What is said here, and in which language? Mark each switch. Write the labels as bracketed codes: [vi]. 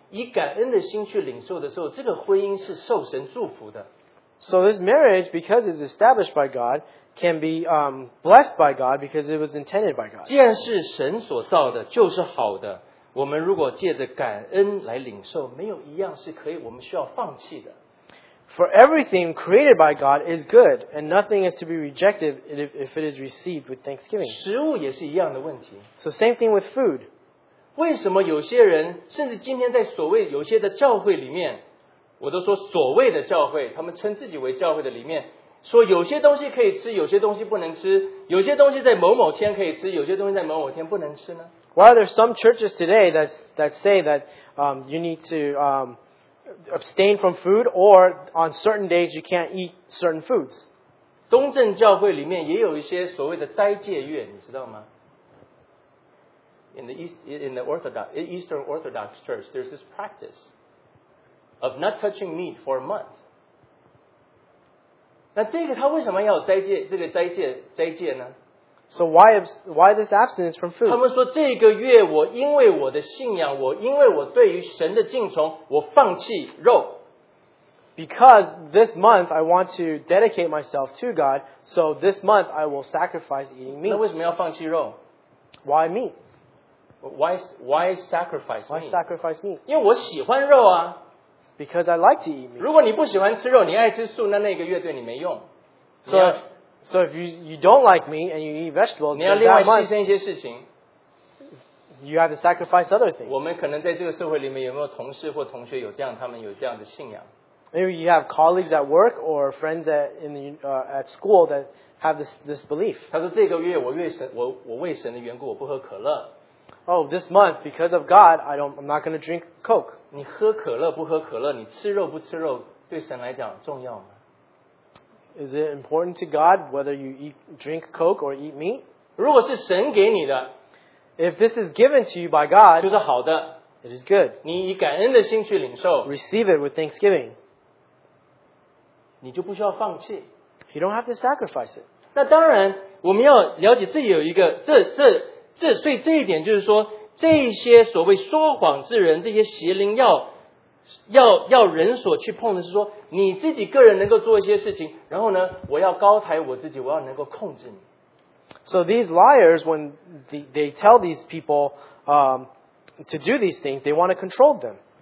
[zh] 当属于神的儿女遵照神的心意,以感恩的心去领受的时候, 这个婚姻是受神祝福的。 [en] So this marriage, because it's established by God, can be blessed by God because it was intended by God. [zh] 既然是神所造的,就是好的, 我们如果借着感恩来领受, 没有一样是可以, 我们需要放弃的。 [en] For everything created by God is good, and nothing is to be rejected if it is received with thanksgiving. [zh] 食物也是一样的问题。 [en] So same thing with food. [zh] 为什么有些人, 甚至今天在所谓有些的教会里面, 我都说所谓的教会, 他们称自己为教会的里面, 说有些东西可以吃, 有些东西不能吃, 有些东西在某某天可以吃, 有些东西在某某天不能吃呢? [en] Why are there some churches today that say that you need to abstain from food or on certain days you can't eat certain foods? [zh] 东正教会里面也有一些所谓的斋戒月, 你知道吗? [en] In the Eastern Orthodox Church, there's this practice of not touching meat for a month. [zh] 那这个他为什么要有斋戒呢? [en] So why this abstinence from food? [zh] 他们说这个月我因为我的信仰, 我因为我对于神的敬崇, 我放弃肉。 [en] Because this month I want to dedicate myself to God, so this month I will sacrifice eating meat. [zh] 那为什么要放弃肉? [en] Why meat? Why sacrifice meat? Why sacrifice meat? [zh] 因为我喜欢肉啊。 [en] Because I like to eat meat. [zh] 如果你不喜欢吃肉, 你爱吃素, 那个月对你没用。 [en] So if you don't like meat and you eat vegetables, [zh] 你要另外牺牲一些事情, [en] you have to sacrifice other things. [zh] 我们可能在这个社会里面有没有同事或同学有这样, 他们有这样的信仰。 [en] Maybe you have colleagues at work or friends at school that have this belief. [zh] 他说这个月我为神的缘故我不喝可乐。 [en] Oh, this month, because of God, I'm not going to drink Coke. [zh] 你喝可乐不喝可乐, 你吃肉不吃肉, 对神来讲重要吗? [en] Is it important to God whether you drink Coke or eat meat? [zh] 如果是神给你的, [en] if this is given to you by God, [zh] 就是好的, [en] it is good. [zh] 你以感恩的心去领受, [en] receive it with thanksgiving. [zh] 你就不需要放弃, [en] you don't have to sacrifice it. [zh] 那当然,我们要了解自己有一个,所以这一点就是说, 这些所谓说谎之人,这些邪灵要人所去碰的是说, 你自己个人能够做一些事情,然后呢,我要高抬我自己,我要能够控制你。 [en] So these liars, when they tell these people to do these things, they want to control them.